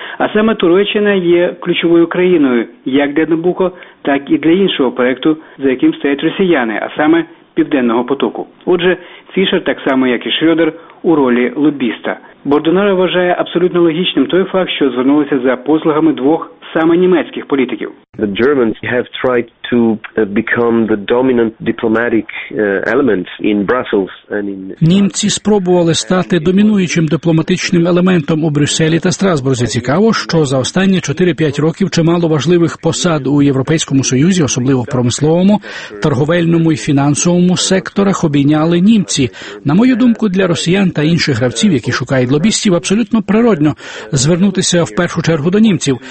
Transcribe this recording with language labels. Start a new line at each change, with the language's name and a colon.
Ukrainian: А саме Туреччина є ключовою країною як для Набуко, так і для іншого проєкту, за яким стоять росіяни, а саме Південного потоку. Отже, Фішер, так само як і Шрьодер, у ролі лобіста. Бордонаро вважає абсолютно логічним той факт, що звернулися за послугами двох саме німецьких політиків.
English: The Germans have tried to become the dominant diplomatic element in Brussels and in.
Ukrainian: Німці спробували стати домінуючим дипломатичним елементом у Брюсселі та Страсбурзі. Цікаво, що за останні 4-5 років чимало важливих посад у Європейському Союзі, особливо в промисловому, торговельному і фінансовому секторах, обійняли німці. На мою думку, для росіян та інших гравців, які шукають лобістів, абсолютно природно звернутися в першу чергу до німців.